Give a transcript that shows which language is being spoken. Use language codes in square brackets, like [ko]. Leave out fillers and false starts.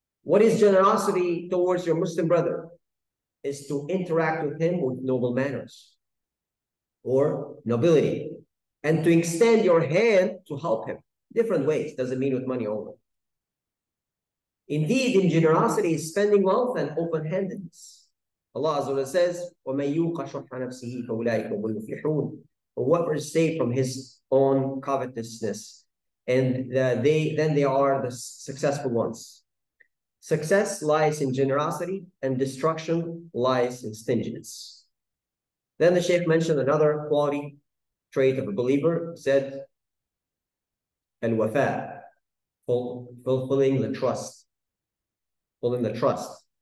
[en] What is generosity towards your Muslim brother? Is to interact with him with noble manners or nobility, and to extend your hand to help him. different ways. Doesn't mean with money only. Indeed, in generosity is spending wealth and open-handedness. [ar] Allah Azza wa Jalla says, وَمَنْ يُوقَ شُحَّ نَفْسِهِ فَأُولَٰئِكَ هُمُ الْمُفْلِحُونَ. [en] Whoever is saved from his own covetousness, and they are the successful ones. Success lies in generosity, and destruction lies in stinginess. Then the Shaykh mentioned another quality trait of a believer, said, الوفاء, fulfilling the trust. Fulfilling the trust.